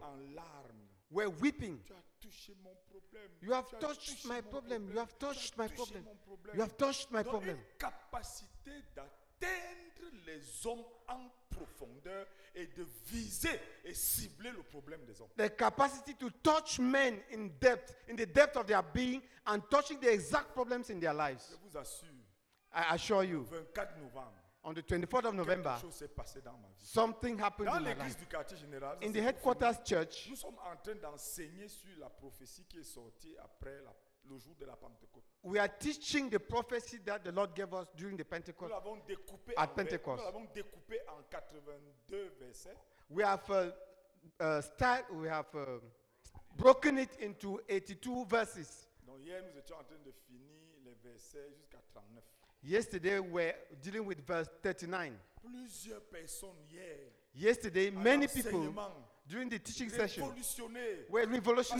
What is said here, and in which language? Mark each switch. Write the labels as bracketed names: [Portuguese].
[French] En larmes. [English] Were weeping. [French] Tu as touché mon problème. [English] You have touched my problem. You have touched my problem. You have touched my problem. [French] Donc une capacité d'atteindre les hommes en profondeur et de viser et cibler le problème des hommes. [English] The capacity to touch men in depth, in the depth of their being, and touching the exact problems in their lives. [French] Je vous assure. [English] I assure you. [French] 24 novembre. [English] On the 24th of November, [French] quelque chose s'est passé dans ma vie. [English] Something happened [French] dans [English] in [French] l'église [English] my life. [French] Du quartier général, [English] in the headquarters church, [French] nous sommes en train d'enseigner sur la prophétie qui est sortie après le jour de la Pentecôte. [English] We are teaching the prophecy that the Lord gave us during the Pentecôte. [French] Nous l'avons découpé [English] at Pentecost. [French] Nous l'avons découpé en 82 versets. [English] We have broken it into 82 verses. [French] Donc hier nous étions en train de finir les versets jusqu'à 39. [English] Yesterday, we're dealing with verse 39. [French] Plusieurs personnes hier. [English] Yesterday, many people during the teaching session were revolutionized.